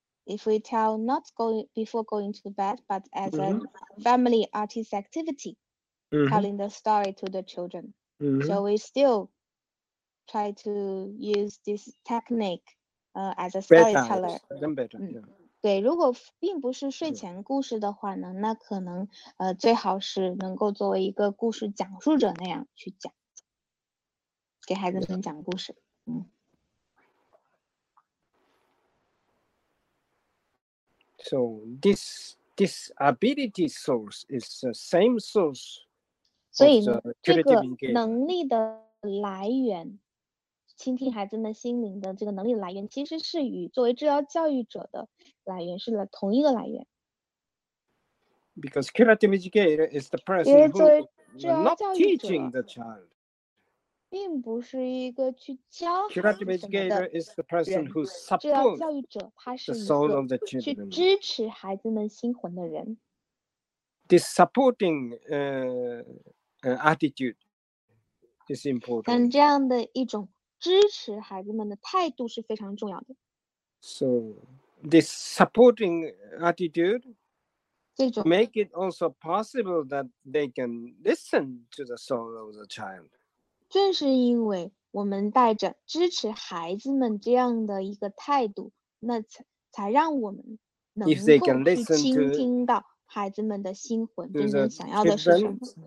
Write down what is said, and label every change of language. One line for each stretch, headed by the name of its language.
English: If we tell not going before going to bed, but as a family artist activity, telling the story to the children. So we still try to use this technique as a storyteller. Even better.
Chinese: 对，如果并不是睡前故事的话呢，那可能最好是能够作为一个故事讲述者那样去讲，给孩子们讲故事。
English: So this ability source is the same source.
Chinese: 所以这个能力的来源。倾听孩子们心灵的这个能力来源，其实是与作为治疗教育者的来源是同一个来源。
English: Because curative educator is the person who is not teaching the child，
Chinese: 并不是一个去教孩子们的。
English: Curative educator is the person who supports the soul of the children，
Chinese: 去支持孩子们心魂的人。
English: This supporting attitude is important。
Chinese: 但这样的一种支持孩子们的态度是非常重要的。
English: So this supporting attitude,
Chinese: 这种
English: make it also possible that they can listen to the soul of the child.
Chinese: 正是因为我们带着支持孩子们这样的一个态度，那才让我们能够去倾听到孩子们的心魂真正想要的是什么。